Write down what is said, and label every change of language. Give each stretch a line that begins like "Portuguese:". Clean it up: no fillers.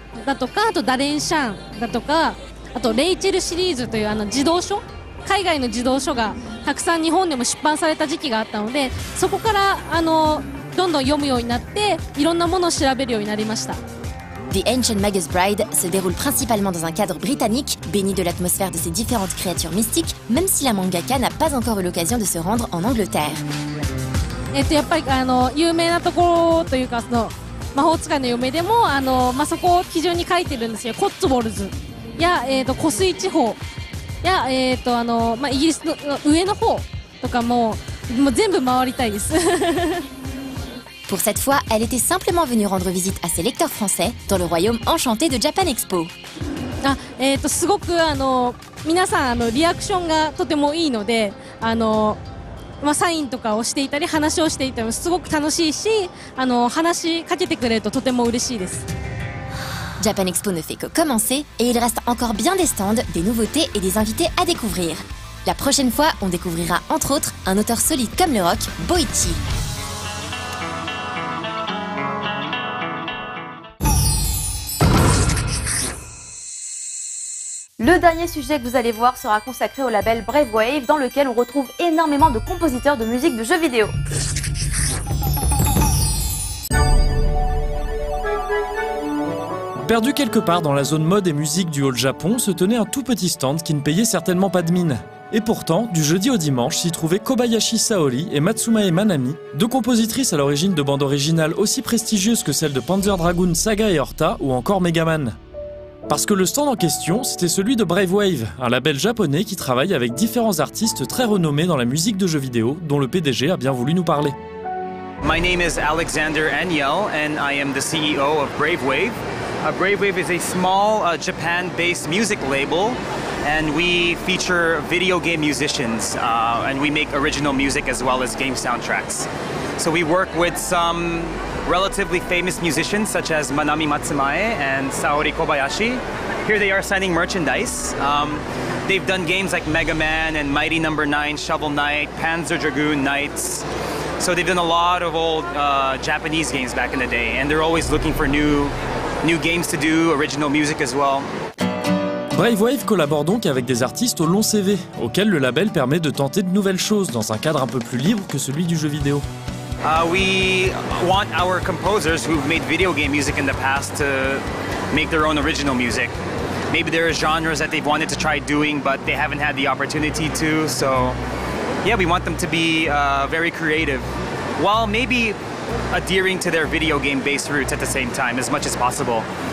Japanese: だとか、あとダレンシャンだとか、あとレイチェルシリーズというあの児童書、海外の児童書がたくさん日本でも出版された時期があったので、そこからあのどんどん読むようになって、いろんなものを調べるようになりました。
French: The Ancient Magus Bride se déroule principalement dans un cadre britannique, béni de l'atmosphère de ces différentes créatures mystiques, même si la mangaka n'a pas encore eu l'occasion de se rendre en Angleterre.
Japanese: やっぱりあの有名なところというか、その魔法使いの嫁でもあの、まあ、そこを基準に書いてるんですよ。コッツウォルズや、湖水地方や、あの、まあ、イギリスの上の方とかも、もう全部回りたいです。
French: Pour cette fois, elle était simplement venue rendre visite à ses lecteurs français dans le royaume enchanté de Japan Expo.
Japanese: すごくあの皆さんあのリアクションがとてもいいので、あの、まあ、サインとかをしていたり話をしていてもすごく楽しいし、あの話しかけてくれるととても嬉しいです。
French: Japan Expo ne fait que commencer et il reste encore bien des stands, des nouveautés et des invités à découvrir. La prochaine fois, on découvrira entre autres un auteur solide comme le rock, Boichi. Le dernier sujet que vous allez voir sera consacré au label Brave Wave, dans lequel on retrouve énormément de compositeurs de musique de jeux vidéo. Perdu quelque part dans la zone mode et musique du Haut Japon, se tenait un tout petit stand qui ne payait certainement pas de mine. Et pourtant, du jeudi au dimanche, s'y trouvaient Kobayashi Saori et Matsumae Manami, deux compositrices à l'origine de bandes originales aussi prestigieuses que celles de Panzer Dragoon, Saga et Horta, ou encore Megaman. Parce que le stand en question, c'était celui de Brave Wave, un label japonais qui travaille avec différents artistes très renommés dans la musique de jeux vidéo, dont le PDG a bien voulu nous parler.
English: My name is Alexander Aniel and I am the CEO of Brave Wave. Brave Wave is a small Japan-based music label and we feature video game musicians and we make original music as well as game soundtracks. So we work with some relatively famous musicians such as Manami Matsumae and Saori Kobayashi. Here they are signing merchandise. They've done games like Mega Man and Mighty No. 9, Shovel Knight, Panzer Dragoon Knights. So they've done a lot of old Japanese games back in the day, and they're always looking for new games to do, original music as well.
French: Brave Wave collabore donc avec des artistes au long CV, auxquels le label permet de tenter de nouvelles choses dans un cadre un peu plus libre que celui du jeu vidéo.
English: We want our composers who've made video game music in the past to make their own original music. Maybe there are genres that they've wanted to try doing, but they haven't had the opportunity to. So, yeah, we want them to be very creative, while maybe adhering to their video game-based roots at the same time, as much as possible.